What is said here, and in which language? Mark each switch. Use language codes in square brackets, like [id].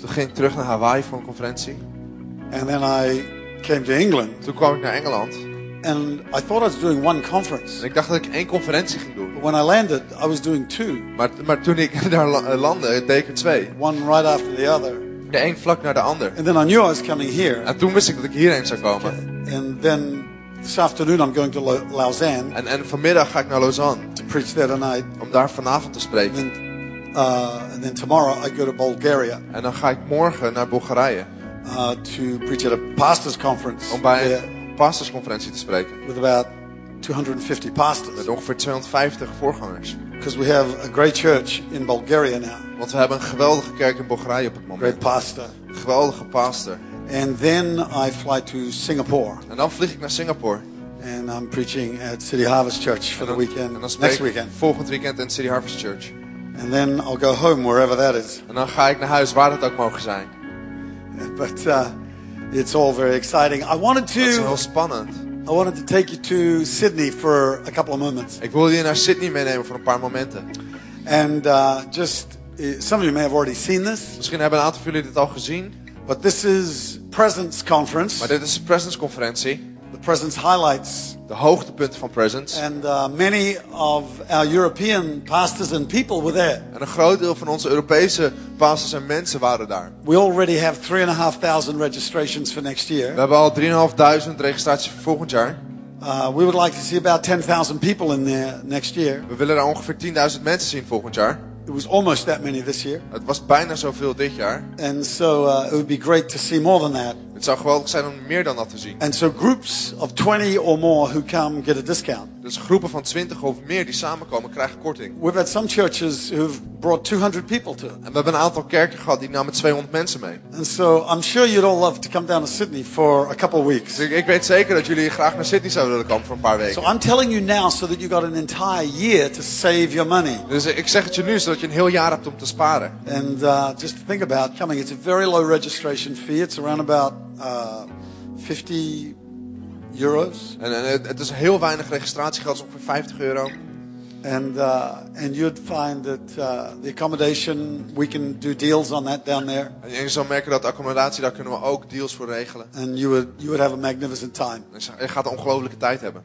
[nl] Toen ging ik terug naar Hawaii voor een conferentie. [en] And then I came to England. [nl] Toen kwam ik naar Engeland. [en] And I thought I was doing one conference. [nl] En ik dacht dat ik één conferentie ging doen. [en] But when I landed, I was doing two. [nl] Maar toen ik daar landde, deed ik er twee. [en] One right after the other. [nl] De een vlak naar de ander. [en] And then I knew I was coming here. [nl] En toen wist ik dat ik hierheen zou komen. [en] And then this afternoon I'm going to Lausanne. [nl] En vanmiddag ga ik naar Lausanne. [en] To preach there tonight. [nl] Om daar vanavond te spreken. [en] And then tomorrow I go to Bulgaria. [nl] En dan ga ik morgen naar Bulgarije. [en] To preach at a pastor's conference. [nl] Om bij een pastorsconferentie te spreken. [en] With about 250 pastors. [nl] Met ongeveer 250 voorgangers. [en] Because we have a great church in Bulgaria now. [nl] Want we hebben een geweldige kerk in Bulgarije op het moment. [en] Great pastor. [nl] Geweldige pastor. [en] And then I fly to Singapore. [nl] En dan vlieg ik naar Singapore. [en] And I'm preaching at City Harvest Church for [nl] dan, [en] the weekend. [nl] En dan [en] next weekend. [nl] Volgend weekend in City Harvest Church. [en] And then I'll go home wherever that is. [nl] En dan ga ik naar huis waar dat ook mogen zijn. [en] But it's all very exciting. I wanted to. [nl] Dat is heel spannend. [en] I wanted to take you to Sydney for a couple of moments. [nl] Ik wilde je naar Sydney meenemen voor een paar momenten. [en] And some of you may have already seen this. [nl] Misschien hebben een aantal van jullie dit al gezien. [en] But this is Presence Conference. [nl] Maar dit is Presence Conferentie. [en] The Presence Highlights. [nl] De hoogtepunten van Presence. [en] And many of our European pastors and people were there. [nl] En een groot deel van onze Europese pastors en mensen waren daar. [en] We already have 3,500 registrations for next year. [nl] We hebben al 3,500 registraties voor volgend jaar. [en] We would like to see about 10,000 people in there next year. [nl] We willen daar ongeveer 10,000 mensen zien volgend jaar. [en] It was almost that many this year. [nl] Het was bijna zoveel dit jaar. [en] And so it would be great to see more than that. [nl] Het zou geweldig zijn om meer dan dat te zien. [en] And so groups of 20 or more who come get a discount. [nl] Dus groepen van 20 of meer die samenkomen krijgen korting. [en] We've had some churches who've brought 200 people to. [nl] En we hebben een aantal kerken gehad die namen 200 mensen mee. [en] And so I'm sure you'd all love to come down to Sydney for a couple of weeks. [nl] Ik weet zeker dat jullie graag naar Sydney zouden willen komen voor een paar weken. [en] So I'm telling you now so that you got an entire year to save your money. [nl] Dus ik zeg het je nu zodat je een heel jaar hebt om te sparen. [en] And just think about coming. It's a very low registration fee. It's around about 50 euros. [nl] En het is heel weinig registratiegeld, het is ongeveer 50 euro. [en] And you'd find that the accommodation, we can do deals on that down there. [nl] En je zou merken dat accommodatie, daar kunnen we ook deals voor regelen. [en] And you would have a magnificent time. [nl] Je gaat een ongelooflijke tijd hebben.